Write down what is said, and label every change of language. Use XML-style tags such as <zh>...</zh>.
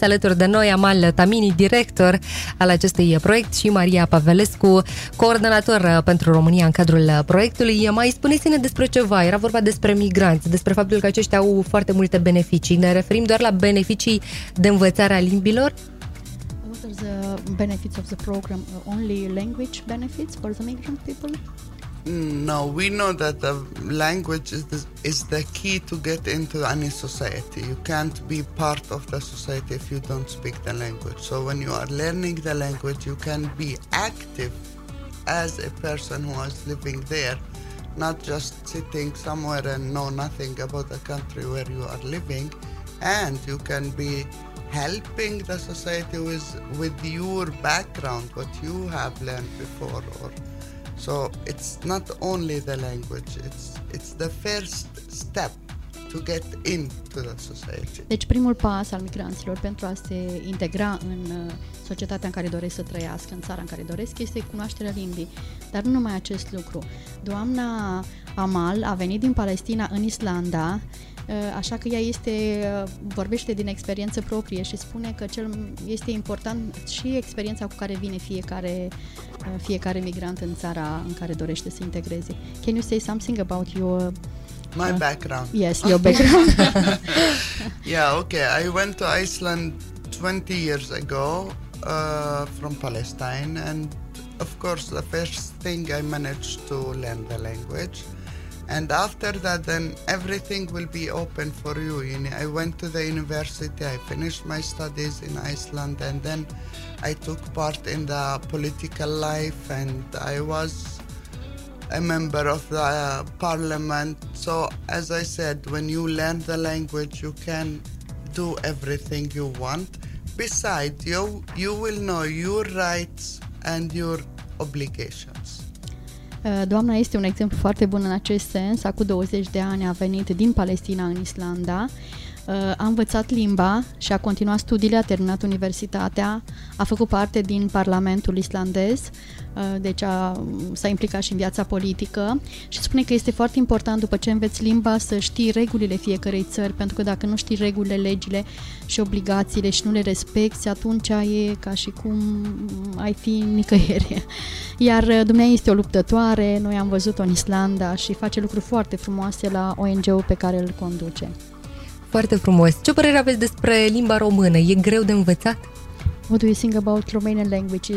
<ro>Alături de noi Amal Tamini, director al acestui proiect, și Maria Pavelescu, coordonator pentru România în cadrul proiectului. Mai spuneți-ne despre ceva, era vorba despre migranți, despre faptul că aceștia au foarte multe beneficii. Ne referim doar la beneficii de învățare a limbilor?</ro> <en>The benefits of the program, only language benefits for the migrant people? No, we know that the language is the key to get into any society. You can't be part of the society if you don't speak the language. So when you are learning the language, you can be active as a person who is living there, not just sitting somewhere and know nothing about the country where you are living. And you can be helping the society with your background, what you have learned before. Or so it's not only the language, it's the first step to get into the society.</en> <ro>Deci primul pas al migranților pentru a se integra în societatea în care doresc să trăiască, în țara în care doresc, este cunoașterea limbii. Dar nu numai acest lucru. Doamna Amal a venit din Palestina în Islanda, așa că ea este, vorbește din experiență proprie și spune că este important și experiența cu care vine fiecare migrant în țara în care dorește să integreze.</ro> <en>Can you say something about my background? Yes, your background. Yeah, okay. I went to Iceland 20 years ago from Palestine, and of course the first thing I managed to learn the language. And after that, then everything will be open for you. I went to the university, I finished my studies in Iceland, and then I took part in the political life, and I was a member of the parliament. So, as I said, when you learn the language, you can do everything you want. Besides, you will know your rights and your obligations.</en> <ro>Doamna este un exemplu foarte bun în acest sens. Acum 20 de ani a venit din Palestina în Islanda, a învățat limba și a continuat studiile, a terminat universitatea, a făcut parte din Parlamentul islandez, deci s-a implicat și în viața politică și spune că este foarte important după ce înveți limba să știi regulile fiecărei țări, pentru că dacă nu știi regulile, legile și obligațiile și nu le respecti, atunci e ca și cum ai fi nicăieri. Iar dumneavoastră este o luptătoare, noi am văzut-o în Islanda și face lucruri foarte frumoase la ONG-ul pe care îl conduce. Foarte frumos. Ce părere aveți despre limba română? E greu de învățat?</ro> <en>What do you think about Romanian language?</en>